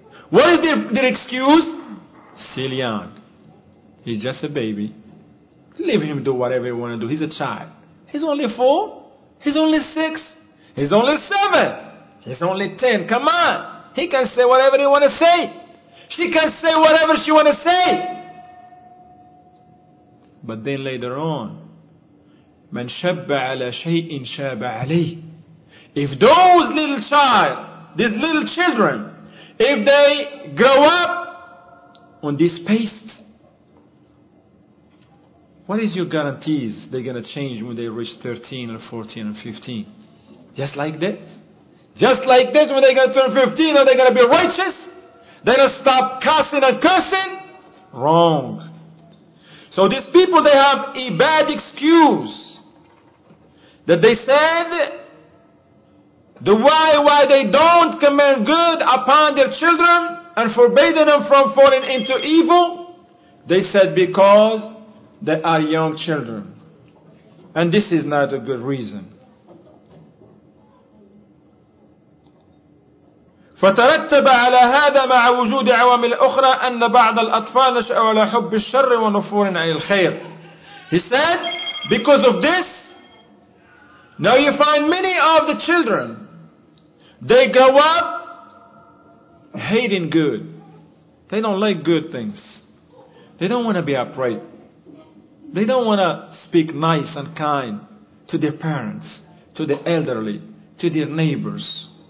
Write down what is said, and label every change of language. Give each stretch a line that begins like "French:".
English: What is their excuse? Still young. He's just a baby. Leave him do whatever he wants to do. He's a child. He's only 4. He's only 6. He's only 7. He's only 10. Come on. He can say whatever he wants to say. She can say whatever she wants to say. But then later on,
Arabic: من شبع على شيء شبع عليه.
English: If those little child, these little children, if they grow up on this paste, what is your guarantees they're going to change when they reach 13 or 14 or 15? Just like that? Just like this, when they're going to turn 15, are they going to be righteous? They're going to stop cussing and cursing? Wrong. So these people, they have a bad excuse that they said the why they don't command good upon their children and forbidden them from falling into evil. They said because they are young children. And this is not a good reason.
Arabic: فترتب على هذا مع وجود عوامل أخرى أن بعض الأطفال نشأوا على حب الشر ونفور عن الخير.
English: He said, because of this, now you find many of the children, they grow up hating good. They don't like good things. They don't want to be upright. They don't want to speak nice and kind to their parents, to the elderly, to their neighbors.